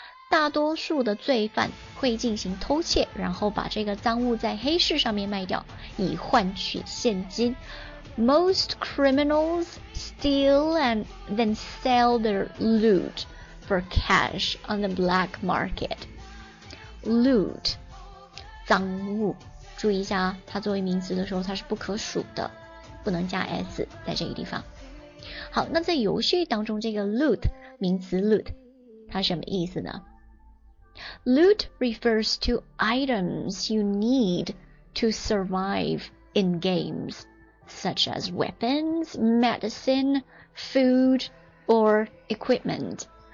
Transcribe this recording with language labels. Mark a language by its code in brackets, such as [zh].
[zh] 大多数的罪犯会进行偷窃，然后把这个赃物在黑市上面卖掉，以换取现金。 [en] Most criminals steal and then sell their loot for cash on the black market. [zh] Loot, 赃物。注意一下，它作为名词的时候，它是不可数的，不能加 s 在这个地方。好，那在游戏当中，这个 loot 名词 loot 它什么意思呢？ [en] Loot refers to items you need to survive in games, such as weapons, medicine, food, or equipment.